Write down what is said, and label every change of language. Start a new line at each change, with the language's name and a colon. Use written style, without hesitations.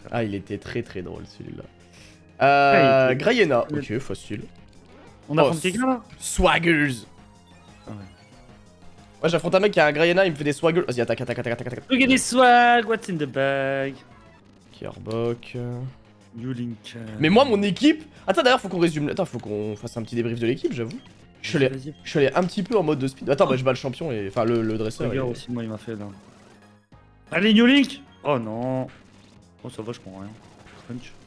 French: Ah il était très très drôle celui-là. Ouais, Grayena, ok facile. On affronte quelqu'un là. Swaggers. Ouais. Moi j'affronte un mec qui a un Grayena, il me fait des swaggers. Vas-y attaque.
English: Look at this swag, what's in the bag. Kerbok. You Link.
French: Mais moi mon équipe. Attends d'ailleurs faut qu'on résume. Attends faut qu'on fasse un petit débrief de l'équipe j'avoue. Je suis allé un petit peu en mode de speed. Attends, bah je bats le champion et. Enfin, le dresseur. Regarde aussi, moi il m'a fait là. Allez,
English: New Link!
French: Oh non! Oh, ça va, je prends rien.